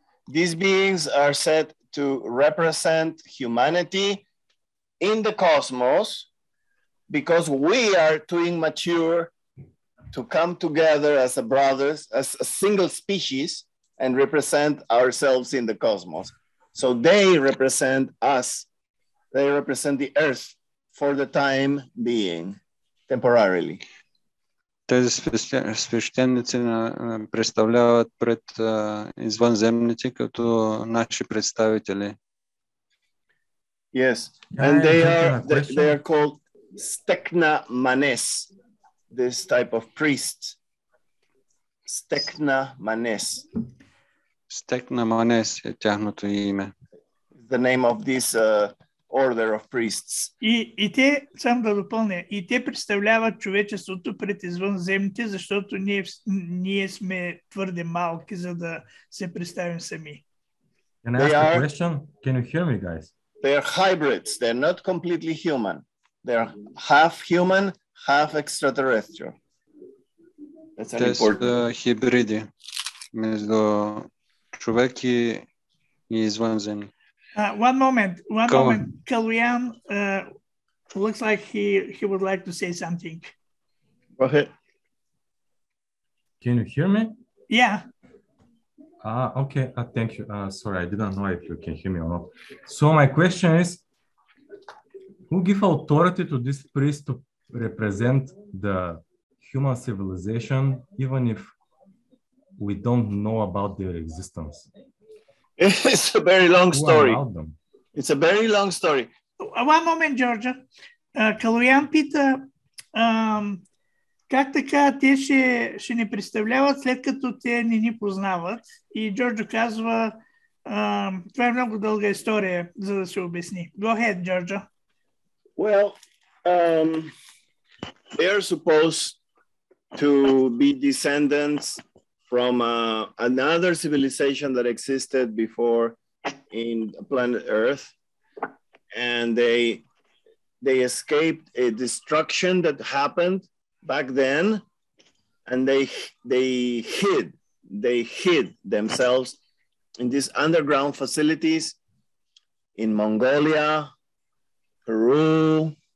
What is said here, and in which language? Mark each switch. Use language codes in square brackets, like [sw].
[en] These beings are said to represent humanity in the cosmos, because we are too immature to come together as a brothers, as a single species, and represent ourselves in the cosmos. So they represent us. They represent the earth for the time being, temporarily. [bg] Тези свещеници представляват пред извънземните като наши представители. [en] Yes, and they are called stekna manes, this type of priest. Stekna manes. [bg] Stekna manes е тяхното име. [en] The name of this order of priests. [bg] И те, само да допълня, и те представляват човечеството пред извънземните, защото ние сме твърде малки, за да се представим сами. [en] Can I ask a question? Can you hear me, guys? They are hybrids. They are not completely human. They are half human, half extraterrestrial. [bg] Те са хибриди между човек и извънземни. [en] One moment. Kalyan looks like he would like to say something. Go ahead. Can you hear me? Yeah. Okay. Thank you. Sorry, I didn't know if you can hear me or not. So my question is, who give authority to this priest to represent the human civilization, even if we don't know about their existence? It's a very long story. It's a very long story. One moment, Georgia. [bg] Калуян пита, как така те ще ни представляват, след като те не ни познават? И Джорджо казва, това е много дълга история, за да се обясни. [en] Go ahead, Georgia. Well, they are supposed to be descendants from another civilization that existed before in planet Earth, and they escaped a destruction that happened back then, and they hid themselves in these underground facilities in Mongolia, Peru,